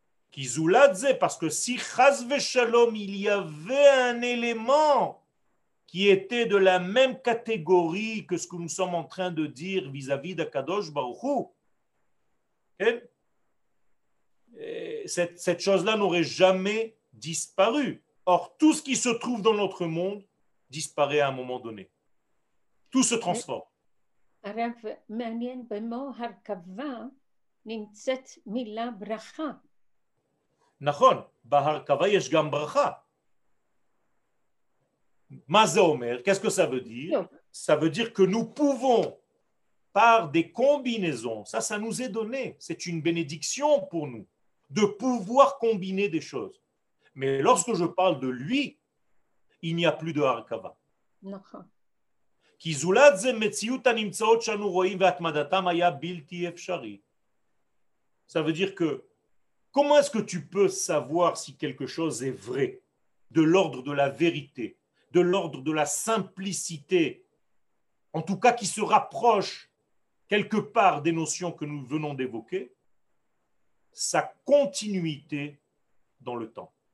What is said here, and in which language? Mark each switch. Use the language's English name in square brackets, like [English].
[French] Kizuladze, parce que si Chas Veshalom, il y avait un élément qui était de la même catégorie que ce que nous sommes en train de dire vis-à-vis d'Akadosh Baruch Hu, cette chose-là n'aurait jamais disparu. Or, tout ce qui se trouve dans notre monde disparaît à un moment donné. Tout se transforme. [Hebrew] הרב מעניין במו הרכבה נמצאת מילה ברכה. נכון, בהרכבה יש גם ברכה. מה זה אומר? [French] Qu'est-ce que ça veut dire? Ça veut dire que nous pouvons, par des combinaisons, ça nous est donné, c'est une bénédiction pour nous, de pouvoir combiner des choses. Mais lorsque je parle de lui, il n'y a plus de הרכבה. [Hebrew] נכון. כי זולת זה מציאות הנמצאות שאנו רואים והתמדתם היה בלתי אפשרי. [French] Ça veut dire que comment est-ce que tu peux savoir si quelque chose est vrai, de l'ordre de la vérité, de l'ordre de la simplicité, en tout cas qui se rapproche quelque part des notions que nous venons d'évoquer, sa continuité dans le temps.